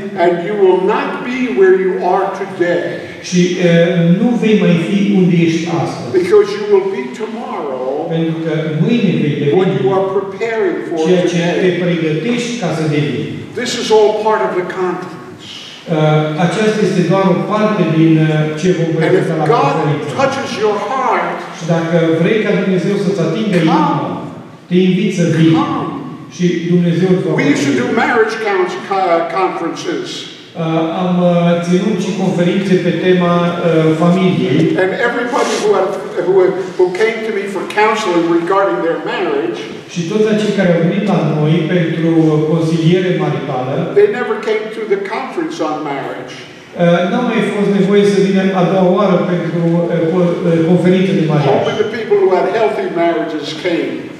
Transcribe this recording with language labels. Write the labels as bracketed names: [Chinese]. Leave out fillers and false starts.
[English] And you will not be where you are today. [Romanian] Și nu vei mai fi unde ești astăzi. [English] Because you will be tomorrow. [Romanian] Pentru că mâine vei deveni. [English] What you are preparing for today. [Romanian] Ceea ce te pregătești ca să devii. [English] This is all part of the conference. [Romanian] Aceasta este doar o parte din ce vom vedea la conferință. [English] God touches your heart. [Romanian] Și dacă vrei ca Dumnezeu să-ți atingă inima, te invit să vii. [English] Come. [Romanian] Și Dumnezeu îți va vorbi. [English] We used to do marriage conferences. [Romanian] Am ținut și conferințe pe tema familiei. [English] And everybody who came to me for counseling regarding their marriage. [Romanian] Și toți acei care au venit la noi pentru consiliere maritală. [English] They never came to the conference on marriage. [Romanian] N-a mai fost nevoie să vină a doua oară pentru conferință de mariaj. [English] Hoping the people who had healthy marriages came.